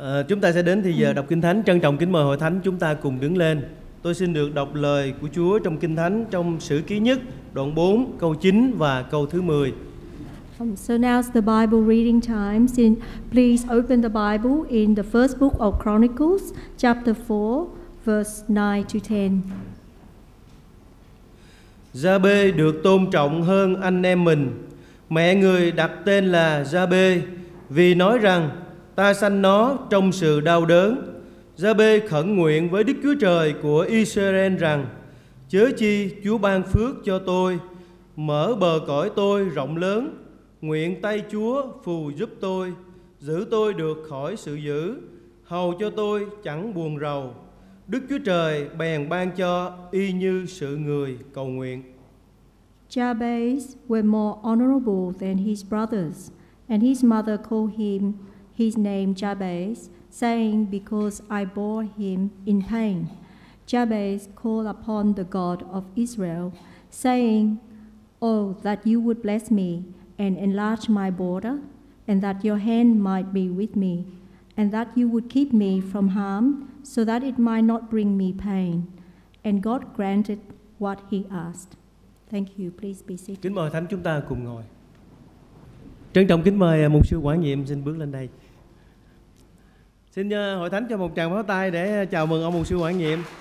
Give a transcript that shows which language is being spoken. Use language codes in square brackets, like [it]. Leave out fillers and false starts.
[vi] Chúng ta sẽ đến thì giờ đọc Kinh Thánh. Trân trọng kính mời hội thánh chúng ta cùng đứng lên. Tôi xin được đọc lời của Chúa trong Kinh Thánh, trong Sử Ký Nhất đoạn 4 câu 9 và câu thứ 10. [en] So now's the Bible reading time. Please open the Bible in the first book of Chronicles, chapter 4, verse 9 to 10. [vi] Gia-bê được tôn trọng hơn anh em mình. Mẹ người đặt tên là Gia-bê vì nói rằng: Ta sanh nó trong sự đau đớn. Gia-bê khẩn nguyện với Đức Chúa Trời của Israel rằng: Chớ chi Chúa ban phước cho tôi, mở bờ cõi tôi rộng lớn, nguyện tay Chúa phù giúp tôi, giữ tôi được khỏi sự dữ, hầu cho tôi chẳng buồn rầu. Đức Chúa Trời bèn ban cho y như sự người cầu nguyện. [en] Jabez was more honorable than his brothers, and his mother called him his name Jabez, saying, Because I bore him in pain. Jabez called upon the God of Israel, saying, Oh, that you would bless me and enlarge my border, and that your hand might be with me, and that you would keep me from harm, so that it might not bring me pain. And God granted what he asked. Thank you. Please be seated. [vi] Kính mời thánh chúng ta cùng ngồi. Trân trọng kính mời mục sư quản nhiệm xin bước lên đây. Xin hội thánh cho một tràng pháo tay để chào mừng ông mục sư quản nhiệm.